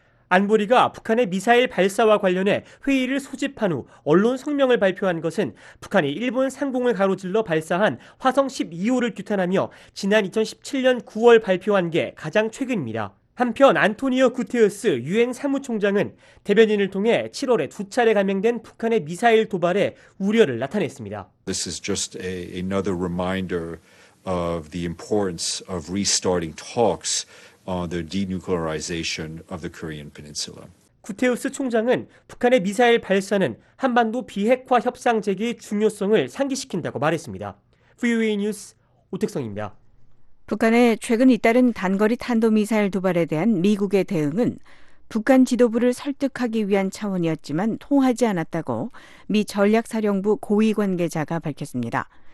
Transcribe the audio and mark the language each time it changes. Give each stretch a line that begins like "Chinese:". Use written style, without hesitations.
Korean: 안보리가 북한의 미사일 발사와 관련해 회의를 소집한 후 언론 성명을 발표한 것은 북한이 일본 상공을 가로질러 발사한 화성 12호를 규탄하며 지난 2017년 9월 발표한 게 가장 최근입니다. 한편 안토니오 구테흐스 유엔 사무총장은 대변인을 통해 7월에 두 차례 감행된 북한의 미사일 도발에 우려를 나타냈습니다.
English: This is just another reminder of the importance of restarting talks. The denuclearization of the Korean Peninsula.
Korean: 구테우스 총장은 북한의 미사일 발사는 한반도 비핵화 협상 재개의 중요성을 상기시킨다고 말했습니다. VOA 뉴스 오택성입니다. 북한의 최근 잇따른 단거리 탄도미사일 도발에 대한 미국의 대응은 북한 지도부를 설득하기 위한 차원이었지만 통하지 않았다고 미 전략사령부 고위 관계자가 밝혔습니다.